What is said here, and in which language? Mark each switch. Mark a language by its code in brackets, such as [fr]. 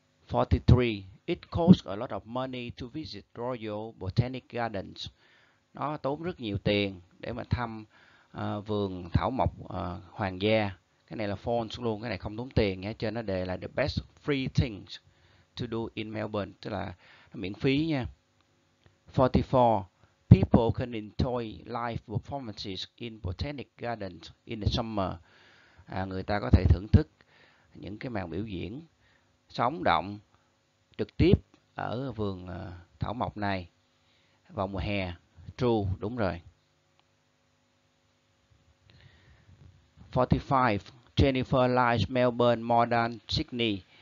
[en] 43. It costs a lot of money to visit Royal Botanic Gardens. [vi] Nó tốn rất nhiều tiền để mà thăm vườn thảo mộc hoàng gia. Cái này là phones luôn. Cái này không tốn tiền nhé. Trên nó đề là [en] the best free things to do in Melbourne. [vi] Tức là miễn phí nha. 44. [en] People can enjoy live performances in Botanic Gardens in the summer. [vi] À, người ta có thể thưởng thức những cái màn biểu diễn sống động trực tiếp ở vườn thảo mộc này vào mùa hè. True, đúng rồi. [en] 45. Jennifer likes Melbourne more than Sydney.